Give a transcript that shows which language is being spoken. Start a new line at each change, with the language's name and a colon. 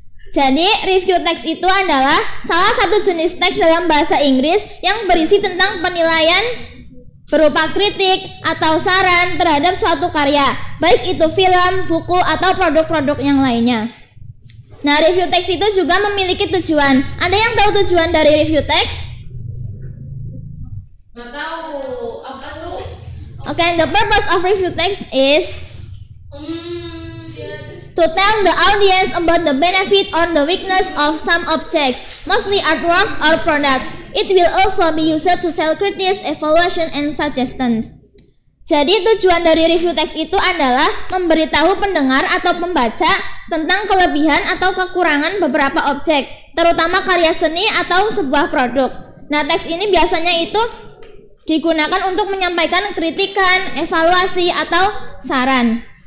Indonesian: Jadi, review teks itu adalah salah satu jenis teks dalam bahasa Inggris yang berisi tentang penilaian berupa kritik atau saran terhadap suatu karya, baik itu film, buku, atau produk-produk yang lainnya. Nah, review teks itu juga memiliki tujuan. Ada yang tahu tujuan dari review teks? Nggak tahu. Apa tuh?
English: Okay, the purpose of review teks is to tell the audience about the benefit or the weakness of some objects, mostly artworks or products. It will also be used to tell critics, evaluation, and suggestions.
Indonesian: Jadi tujuan dari review teks itu adalah memberitahu pendengar atau pembaca tentang kelebihan atau kekurangan beberapa objek, terutama karya seni atau sebuah produk. Nah, teks ini biasanya itu digunakan untuk menyampaikan kritikan, evaluasi, atau saran.